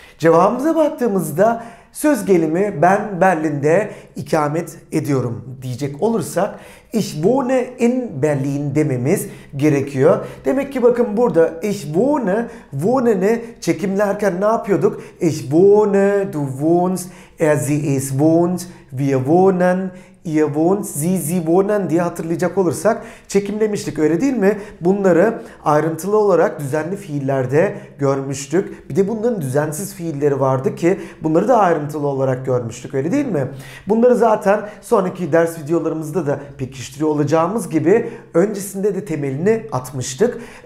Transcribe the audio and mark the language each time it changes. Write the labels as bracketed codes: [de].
[tr] Cevabımıza baktığımızda söz gelimi ben Berlin'de ikamet ediyorum diyecek olursak [de] ich wohne in Berlin [tr] dememiz gerekiyor. Demek ki bakın burada ich wohne, wohnen'i çekimlerken ne yapıyorduk? [de] Ich wohne, du wohnst, er, sie, es wohnt, wir wohnen, ihr wohnt, sie wohnen [tr] diye hatırlayacak olursak çekimlemiştik, öyle değil mi? Bunları ayrıntılı olarak düzenli fiillerde görmüştük. Bir de bunların düzensiz fiilleri vardı ki bunları da ayrıntılı olarak görmüştük, öyle değil mi? Bunları zaten sonraki ders videolarımızda da pekiştiriyor olacağımız gibi öncesinde de temelini atmıştık.